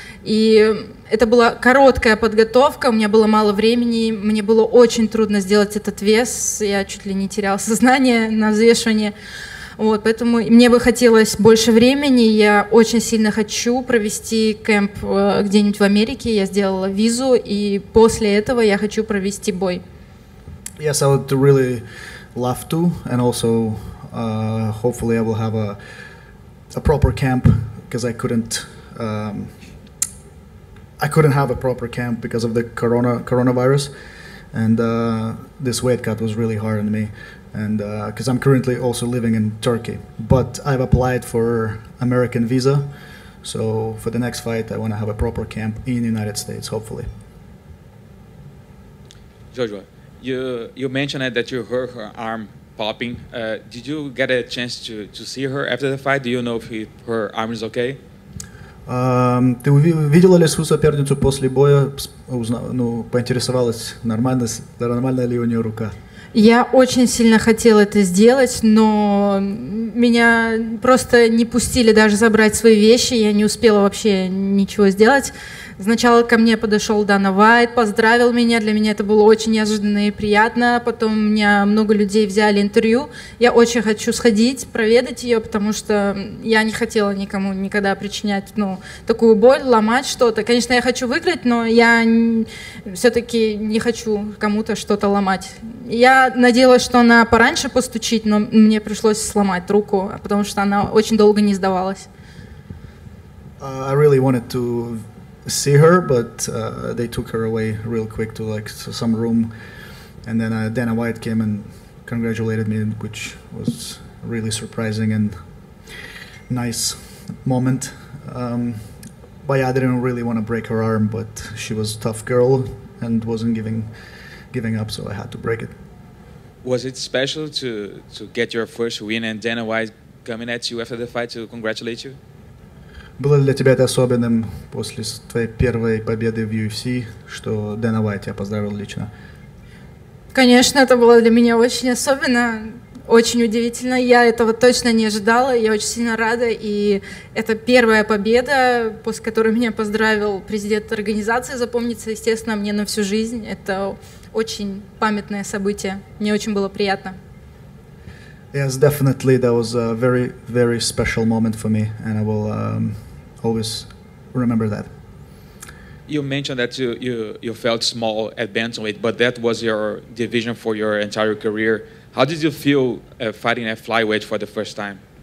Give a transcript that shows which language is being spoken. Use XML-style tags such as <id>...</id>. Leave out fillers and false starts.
<ru>И это была короткая подготовка, у меня было мало времени, мне было очень трудно сделать этот вес, я чуть ли не теряла сознание на взвешивании. Вот, поэтому мне бы хотелось больше времени, я очень сильно хочу провести кемп где-нибудь в Америке, я сделала визу, и после этого я хочу провести бой.</ru> <en>Yes, I would really love to, and also hopefully I will have a proper camp, because I couldn't have a proper camp because of the coronavirus, and this weight cut was really hard on me. And because I'm currently also living in Turkey, but I've applied for American visa, so for the next fight I want to have a proper camp in the United States, hopefully. Joshua, you mentioned that you heard her arm popping. Did you get a chance to see her after the fight? Do you know if her arm is okay?</en> <ru>Ты видела ли свою соперницу после боя? Поинтересовалась, нормально ли у нее рука? Я очень сильно хотела это сделать, но меня просто не пустили даже забрать свои вещи, я не успела вообще ничего сделать. Сначала ко мне подошел Дана Вайт, поздравил меня. Для меня это было очень неожиданно и приятно. Потом у меня много людей взяли интервью. Я очень хочу сходить, проведать ее, потому что я не хотела никому никогда причинять, ну, такую боль, ломать что-то. Конечно, я хочу выиграть, но я все-таки не хочу кому-то что-то ломать. Я надеялась, что она пораньше постучит, но мне пришлось сломать руку, потому что она очень долго не сдавалась.</ru> <en>I really wanted to see her, but they took her away real quick to like some room, and then Dana White came and congratulated me, which was really surprising and nice moment. But yeah, I didn't really want to break her arm, but she was a tough girl and wasn't giving up, so I had to break it. Was it special to get your first win and Dana White coming at you after the fight to congratulate you?</en> <ru>Было ли для тебя это особенным после твоей первой победы в UFC, что Дэна Уайт тебя поздравил лично? Конечно, это было для меня очень особенно, очень удивительно. Я этого точно не ожидала, я очень сильно рада. И это первая победа, после которой меня поздравил президент организации, запомнится, естественно, мне на всю жизнь. Это очень памятное событие, мне очень было приятно.</ru> <en>Yes, definitely. That was a very, very special moment for me, and I will always remember that. You mentioned that you felt small at bantamweight, but that was your division for your entire career. How did you feel fighting at flyweight for the first time?</en>